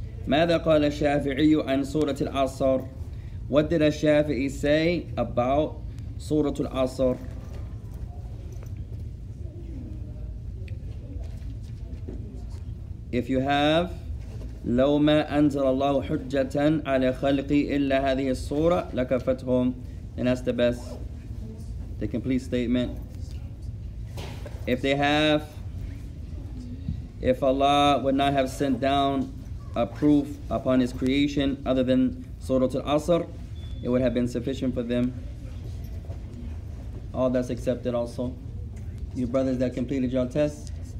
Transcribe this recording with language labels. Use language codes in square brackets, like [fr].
[ar] ماذا قال الشافعي عن سورة العصر? [en] What did Al-Shafi'i say about Surah Al-Asr? If you have, [ar] لو ما أنزل الله حجة على خلقي إلا هذه السورة لكفتهم. [en] And that's the best, the complete statement. If they have, if Allah would not have sent down a proof upon His creation other than Surah Al-Asr, it would have been sufficient for them. All that's accepted also. You brothers that completed your test?